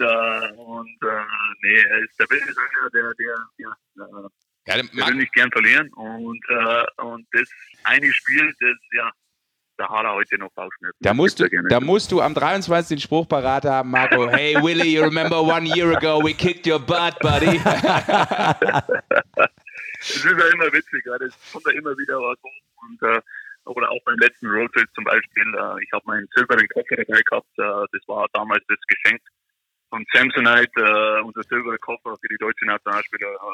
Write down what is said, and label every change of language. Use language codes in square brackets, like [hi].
[de] Ja, ich will nicht gern verlieren und das eine Spiel, das ja, da hat er heute noch Bauchschmerzen. Da musst du am 23. den Spruch parat haben, Marco. [en] Hey Willy, you remember 1 year ago we kicked your butt, buddy. [de] Das ist ja immer witzig, ja. Das kommt ja immer wieder was hoch. Oder auch beim letzten Roadtrip zum Beispiel, ich habe meinen silbernen Koffer dabei gehabt, das war damals das Geschenk von Samsonite, unser silberner Koffer für die deutsche Nationalspieler.